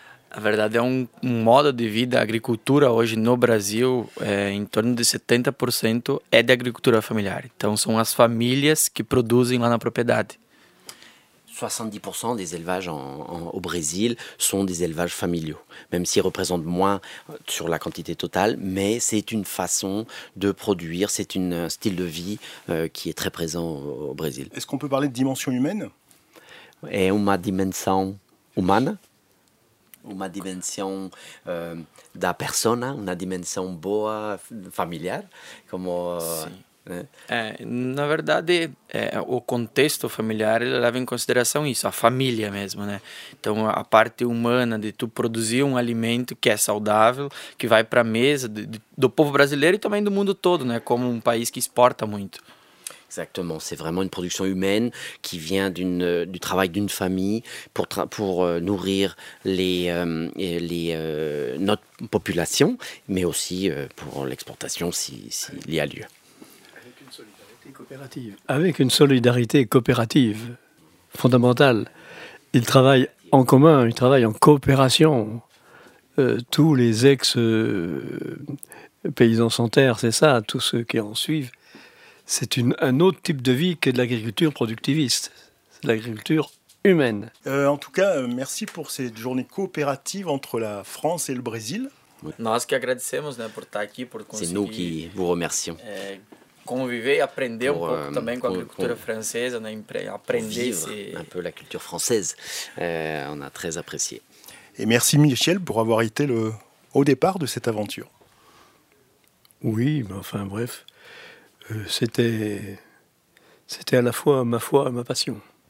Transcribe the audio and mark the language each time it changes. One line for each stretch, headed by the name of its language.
Portuguese: A verdade é um modo de vida, a agricultura hoje no Brasil, em torno de 70% é de agricultura familiar. Então são as famílias que produzem lá na propriedade.
French: 70% des élevages au Brésil sont des élevages familiaux, même s'ils représentent moins sur la quantité totale, mais c'est une façon de produire, c'est un style de vie qui est très présent au Brésil. Est-ce qu'on peut parler de dimension humaine ?
Portuguese: É uma dimensão humana. Uma dimensão da persona, uma dimensão boa, familiar, como... Sim. Né? Na verdade, o contexto familiar, ele leva em consideração isso, a família mesmo, né? Então, a parte humana de tu produzir um alimento que é saudável, que vai para a mesa do povo brasileiro e também do mundo todo, né? Como um país que exporta muito.
French: Exactement, c'est vraiment une production humaine qui vient du travail d'une famille pour nourrir notre population, mais aussi pour l'exportation s'il y a lieu. Avec une solidarité coopérative fondamentale, ils travaillent en commun, ils travaillent en coopération. Tous les ex-paysans sans terre, c'est ça, tous ceux qui en suivent, c'est un autre type de vie que de l'agriculture productiviste, c'est de l'agriculture humaine. En tout cas, merci pour cette journée coopérative entre la France et le Brésil.
Portuguese: Nós que agradecemos, né, por estar aqui, por conseguir.
French: C'est nous qui vous remercions.
Portuguese: Conviver, aprender
French: pour, un peu
Portuguese: também com a agricultura francesa, né, aprender
French: vivre un peu la culture française. On a très apprécié. Et merci Michel pour avoir été au départ de cette aventure. Oui, mais enfin bref. C'était à la fois ma foi et ma passion.